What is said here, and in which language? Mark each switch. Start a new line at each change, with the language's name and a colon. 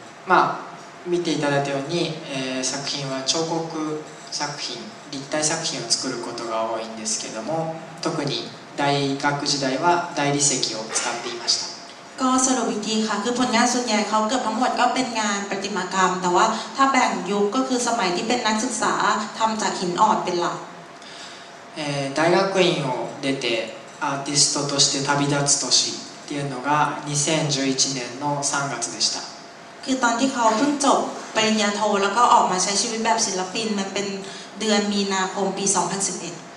Japanese: まあ見ていただいたように作品は彫刻作品立体作品を作ることが多いんですけども特に大学時代は大理石を使っていました
Thai: ก็สรุปอีกทีค่ะคือผลงานส่วนใหญ่เขาเกือบทั้งหมดก็เป็นงานประติมากรรมแต่ว่าถ้าแบ่งยุคก็คือสมัยที่เป็นนักศึกษาทำจากหินอ่อนเป็นหลัก
Japanese: 大学院を出てアーティストとして旅立つ年っていうのが2011年の3月でした
Thai: คือตอนที่เขาเพิ่งจบปริญญาโทแล้วก็ออกมาใช้ชีวิตแบบศิลปินมันเป็นเดือนมีนาคมปี2011